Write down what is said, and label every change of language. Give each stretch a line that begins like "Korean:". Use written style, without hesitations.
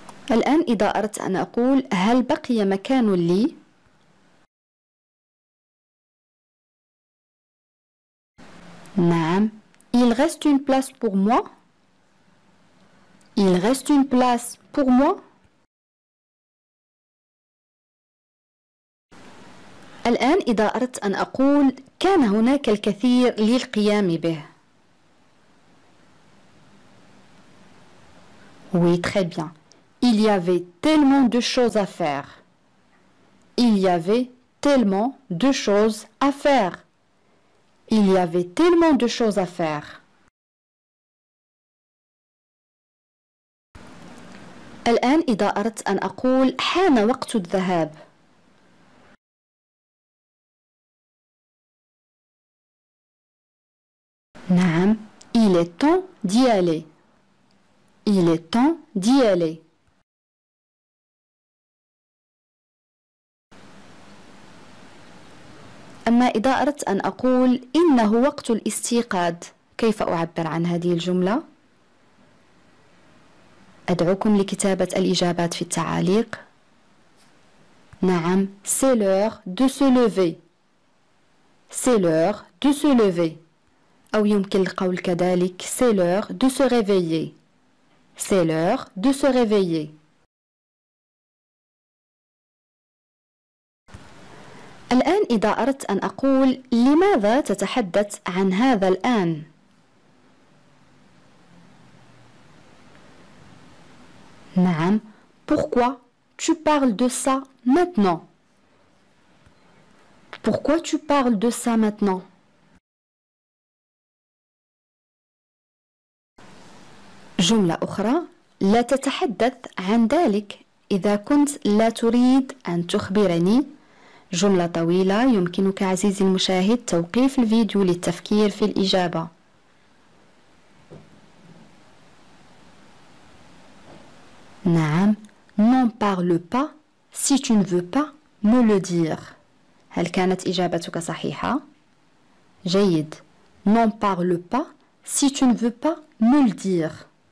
Arabic: الآن إذا أردت أن أقول هل بقي مكان لي؟ نعم.
French: Il reste une place pour moi. Il reste une place pour moi.
Arabic: الآن إذا أردت أن أقول كان هناك الكثير للقيام به.
French: Oui, très bien. Il y avait tellement de choses à faire. Il y avait tellement de choses à faire. Il y avait tellement de choses à faire.
Arabic: الآن إذا أردت أن أقول حان وقت الذهاب. نعم.
French: Il est temps d'y aller. Il est temps d'y aller.
Arabic: أما إذا أردت أن أقول إنه وقت الاستيقاظ، كيف أعبر عن هذه الجملة؟ أدعوكم لكتابة الإجابات في التعاليق. نعم،
French: c'est l'heure de se lever. C'est l'heure de se lever.
Arabic: أو يمكن القول كذلك
French: c'est l'heure de se réveiller. C'est l'heure de se réveiller.
Arabic: الآن إذا أردت أن أقول لماذا تتحدث عن هذا الآن؟ نعم،
French: pourquoi tu parles de ça maintenant؟ pourquoi tu parles de ça maintenant؟
Arabic: جملة أخرى، لا تتحدث عن ذلك إذا كنت لا تريد أن تخبرني. جملة طويلة يمكنك عزيزي المشاهد توقيف الفيديو للتفكير في الإجابة. نعم،
French: n'en parle pas si tu ne veux pas me le dire.
Arabic: هل كانت إجابتك صحيحة؟ جيد،
French: n'en parle pas si tu ne veux pas me le dire.